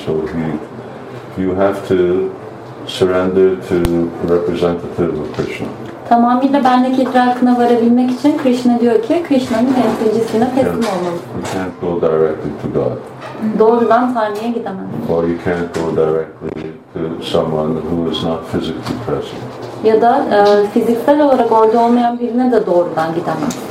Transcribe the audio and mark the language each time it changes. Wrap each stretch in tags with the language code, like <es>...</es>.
<en>So you have to surrender to representative of Krishna.</en> <tr>Tamamıyla benlik idrakına varabilmek için Krishna diyor ki, Krishna'nın temsilcisine teslim olmalı.</tr> <en>You can't go directly to God.</en> <tr>Doğrudan Tanrı'ya gidemez.</tr> <en>Or you can't go directly to someone who is not physically present.</en> <tr>Ya da fiziksel olarak orada olmayan birine de doğrudan gidemez.</tr>